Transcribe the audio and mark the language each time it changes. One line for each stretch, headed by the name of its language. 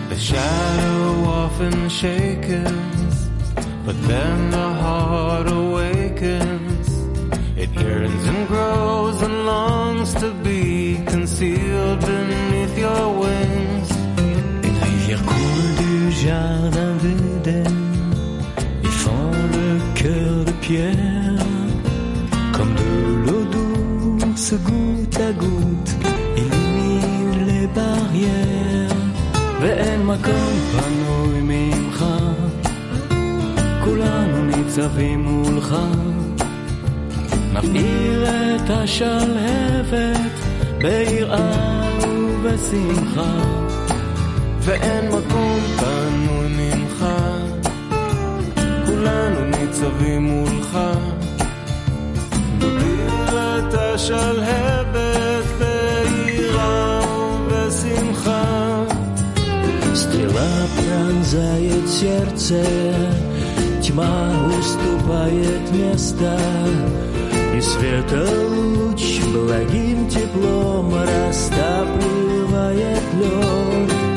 English: Shadow often shakens, but then the heart awakens. It yearns and grows and longs to be concealed beneath your wings.
French: Une rivière coule du jardin d'Eden, il fend le cœur de pierre. Comme de l'eau douce, goutte à goutte, illumine les barrières.
Hebrew: ואין מקום פנוי ממך, כולנו ניצבים מולך. נפעיל את השלהבת ביראה ובשמחה. ואין מקום פנוי ממך, כולנו ניצבים מולך. נפעיל את השלהבת ביראה ובשמחה.
Russian: Стрела пронзает сердце, тьма уступает место, и света луч благим теплом растапливает лед.